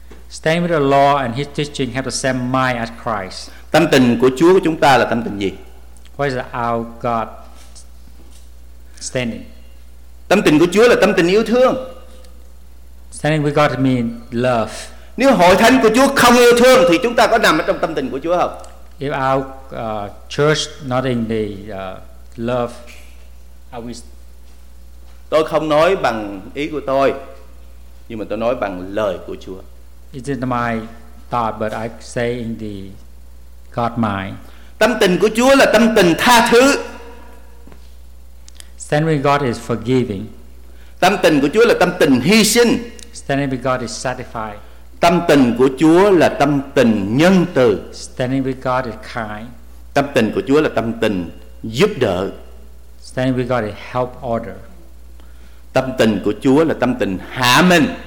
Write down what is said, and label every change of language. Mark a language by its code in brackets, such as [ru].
[en] Stand with the Lord and his teaching have the same mind as Christ. [vi] Tâm tình của Chúa của chúng ta là tâm tình gì? [en] What is our God standing? [vi] Tâm tình của Chúa là tâm tình yêu thương. [en] Standing with God means love. [vi] Nếu hội thánh của Chúa không yêu thương thì chúng ta có nằm ở trong tâm tình của Chúa không? [en] If our church not in the love, are we? [vi] Tôi không nói bằng ý của tôi, nhưng mà tôi nói bằng lời của Chúa. [en] It is my thought, but I say in the God mind. [vi] Tâm tình của Chúa là tâm tình tha thứ. [en] Standing with God is forgiving. [vi] Tâm tình của Chúa là tâm tình hy sinh. [en] Standing with God is sacrifice. [vi] Tâm tình của Chúa là tâm tình nhân từ. [en] Standing with God is kind. [vi] Tâm tình của Chúa là tâm tình giúp đỡ. [en] Standing with God is help order. [vi] Tâm tình của Chúa là tâm tình hạ mình.